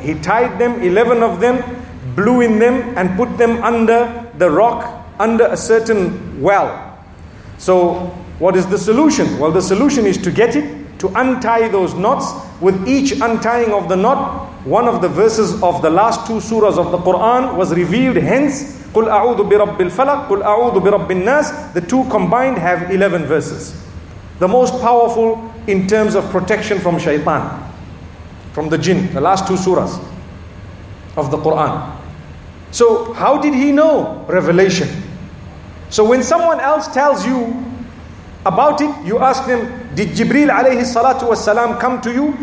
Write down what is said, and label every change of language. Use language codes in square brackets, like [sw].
[en] He tied them, 11 of them, blew in them and put them under the rock, under a certain well. So what is the solution? Well, the solution is to get it, to untie those knots. With each untying of the knot, one of the verses of the last two surahs of the Quran was revealed. Hence, [ar] قُلْ أَعُوذُ بِرَبِّ الْفَلَقِ قُلْ أَعُوذُ بِرَبِّ النَّاسِ. [en] The two combined have 11 verses. The most powerful in terms of protection from shaitan, from the jinn, the last two surahs of the Quran. So how did he know? Revelation. So when someone else tells you about it, you ask them, did Jibreel alayhi salatu wasalam come to you?